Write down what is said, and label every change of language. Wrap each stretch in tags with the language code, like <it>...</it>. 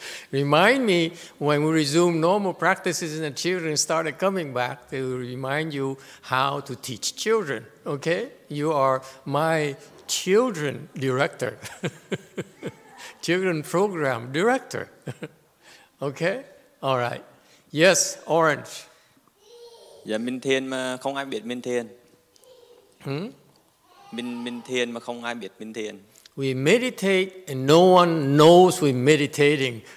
<en>Remind me when we resume normal practices and the children started coming back, they will remind you how to teach children, okay? You are my children director, children program director, okay? All right. Yes, Orange.</en> <vi>Dạ, mình thiền mà không ai biết mình thiền. Mình thiền mà không ai biết mình thiền.</vi> <en>We meditate and no one knows we're meditating.</en>